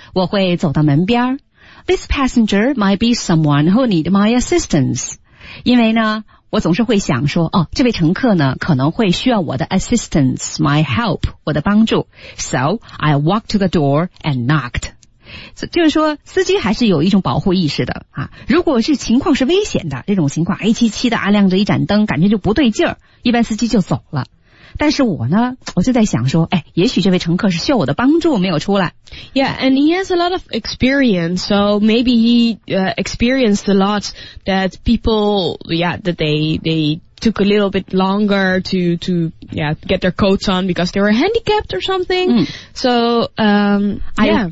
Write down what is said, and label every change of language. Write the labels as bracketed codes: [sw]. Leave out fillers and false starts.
[zh] 我会走到门边 [en] This passenger might be someone who need my assistance. [zh] 因为呢我总是会想说哦，这位乘客呢可能会需要我的 assistance, [en] my help, [zh] 我的帮助。 [en] So, I walked to the door and knocked. [zh] 就是说司机还是有一种保护意识的啊。如果是情况是危险的这种情况黑漆漆的啊亮着一盏灯感觉就不对劲儿一般司机就走了。但是我呢我就在想说哎，也许这位乘客是需要我的帮助没有出来 [en] Yeah, and he has a lot of experience So maybe he experienced a lot That people, yeah, that they took a little bit longer to yeah, get their coats on Because they were handicapped or something、 mm. So, yeah